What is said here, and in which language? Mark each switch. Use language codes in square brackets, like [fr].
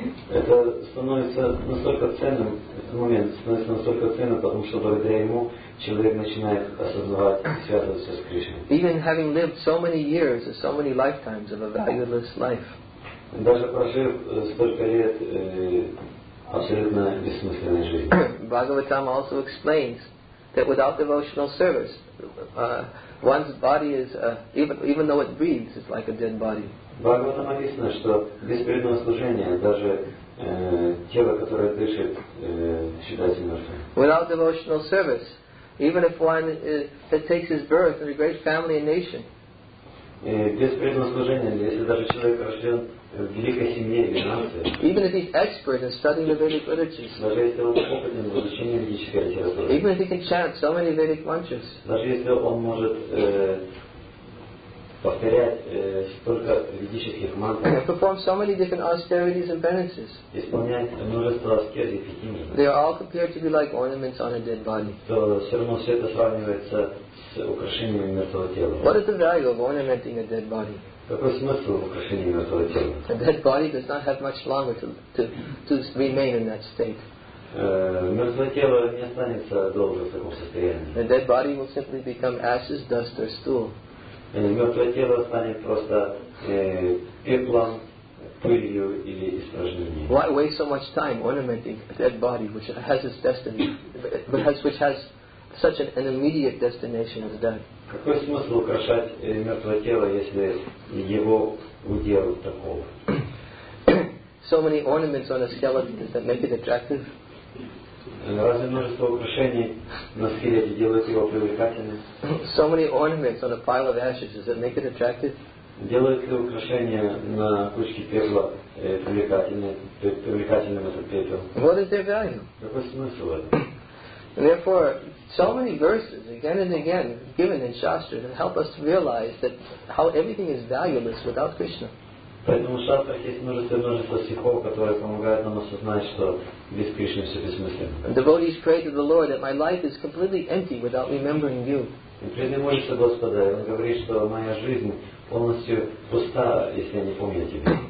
[ru] Это становится настолько ценным, этот момент становится настолько ценным, потому что благодаря ему человек начинает осознавать и связываться с Кришной. [en] Even having lived so many years or so many lifetimes of a valueless life. [ru] Даже прожив столько лет абсолютно бессмысленной жизни. [en] Bhagavatam also explains that without devotional service, one's body is even though it breathes, it's like a dead body. [ru] Бхагаватам написано, что без преданного служения даже тело, которое дышит, считается мертвым. [en] Without devotional service, even if one that takes his birth in a great family and nation. [ru] Без преданного служения, если даже человек рожден в великой семье или нации. [en] Even if he's expert in studying the Vedic literatures. [ru] Даже если он опытен в изучении ведической литературы. [en] Even if he can chant so many Vedic mantras. [ru] Даже если он может повторять столько ведических мантр. [en] Perform so many different austerities and penances. [ru] Исполнять множество аскез и пхикини. [en] They are all compared to be like ornaments on a dead body. [ru] То все равно все это сравнивается с украшением мертвого тела. [en] What is the value of ornamenting a dead body? [ru] Какой смысл в украшении мертвого тела? [en] A dead body does not have much longer to remain in that state. [ru] Мертвое тело не останется долго в таком состоянии. [en] A dead body will simply become ashes, dust or stool. [ru] Мертвое тело станет просто пеплом, пылью или испражнением. [en] Why waste so much time ornamenting a dead body which has its destiny, which has such an immediate destination as death? [ru] Какой смысл украшать мертвое тело, если его удел таков? [en] So many ornaments on a skeleton, does that make it attractive? [ru] Разве множество украшений на скелете делает его привлекательным? [en] So many ornaments on a pile of ashes, does that make it attractive? [ru] Делает ли украшения на кучке пепла привлекательным этот пепел? [en] What is their value? [ru] Какой смысл это? [en] Therefore, so many verses, again and again, given in Shastra, that help us to realize that how everything is valueless without Krishna. [ru] Поэтому в шастрах есть множество стихов, которые помогают нам осознать, что без Кришны все бессмысленно. [en] Devotees pray to the Lord that my life is completely empty without remembering you. [ru] Преданный молится Господа, и он говорит, что моя жизнь полностью пуста, если я не помню тебя.